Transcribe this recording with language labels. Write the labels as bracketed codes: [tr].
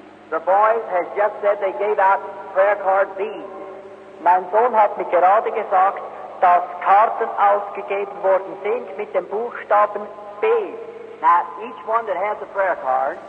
[en] The boys has just said they gave out prayer card B. [de] Mein Sohn hat mir gerade gesagt, dass Karten ausgegeben worden sind mit dem Buchstaben B. [en] Now, each one that has a prayer card,